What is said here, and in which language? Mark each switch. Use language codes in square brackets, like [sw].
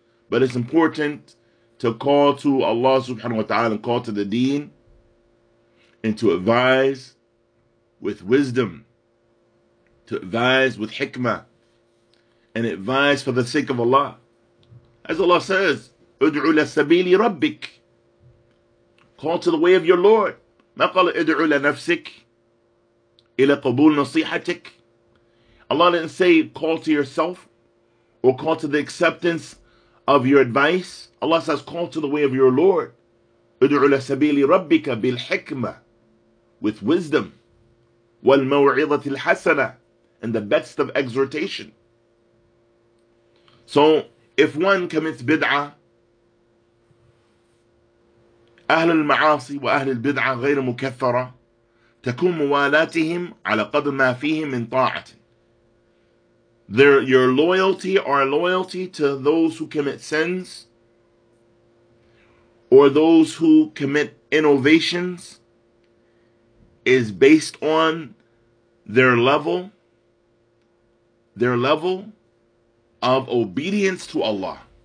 [en] But it's important to call to Allah subhanahu wa ta'ala and call to the deen and to advise with wisdom, to advise with hikmah, and advise for the sake of Allah. As Allah says, [ar] ادعو لسبيل ربك, [en] call to the way of your Lord. [ar] ما قال ادعو لنفسك إلى قبول نصيحتك. [en] Allah didn't say call to yourself or call to the acceptance of your advice. Allah says call to the way of your Lord. [ar] ادعو لسبيل ربك بالحكمة, [en] with wisdom. [ar] والموعظة الحسنة, [en] and the best of exhortation. So if one commits bid'ah, [ar] أهل المعاصي وأهل البدعة غير مكفرة تكون موالاتهم على قدر ما فيهم من طاعة. [en] Your loyalty, our loyalty to those who commit sins or those who commit innovations is based on their level of obedience to Allah.